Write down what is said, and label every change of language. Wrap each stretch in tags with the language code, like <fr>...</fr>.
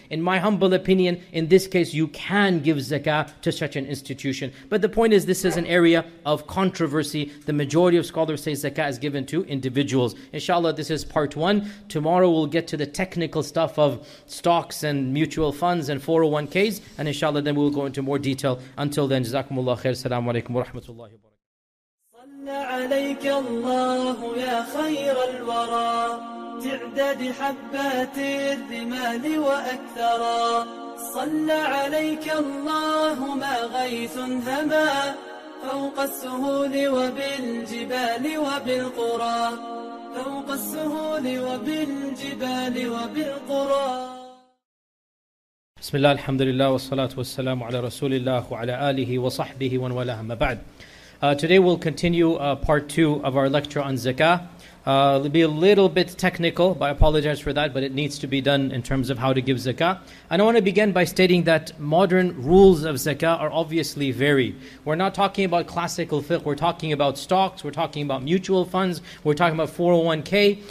<en>In my humble opinion, in this case, you can give zakah to such an institution. But the point is, this is an area of controversy. The majority of scholars say zakah is given to individuals. Inshallah, this is part one. Tomorrow, we'll get to the technical stuff of stocks and mutual funds and 401ks. And inshallah, then we'll go into more detail. Until then, jazakumullah khair.</en> <ar>السلام عليكم ورحمة الله وبركاته. صلى عليك الله يا خير الورى تعداد حبات الرمال وأكثرا صلى عليك الله ما غيث هما فوق السهول وبالجبال وبالقرى فوق السهول وبالجبال وبالقرى. بسم الله الحمد لله والصلاة والسلام على رسول الله وعلى آله وصحبه ومن والاه ما بعد.</ar> <en>Today we'll continue part two of our lecture on zakah. It'll be a little bit technical, but I apologize for that, but it needs to be done in terms of how to give zakah. And I want to begin by stating that modern rules of zakah are obviously varied. We're not talking about classical fiqh, we're talking about stocks, we're talking about mutual funds, we're talking about 401k.</en>